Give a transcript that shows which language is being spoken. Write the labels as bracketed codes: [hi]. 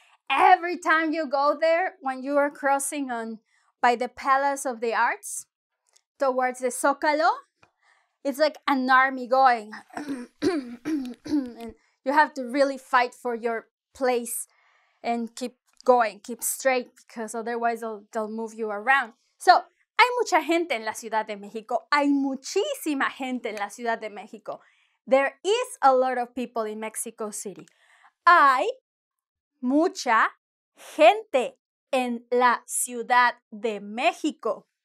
[en] Every time you go there, when you are crossing on by the Palace of the Arts towards the Zócalo, it's like an army going. And you have to really fight for your place and keep going, keep straight, because otherwise they'll move you around. [es] So, hay mucha gente en la Ciudad de México. Hay muchísima gente en la Ciudad de México. [en] There is a lot of people in Mexico City. [es] Hay mucha gente en la Ciudad de México.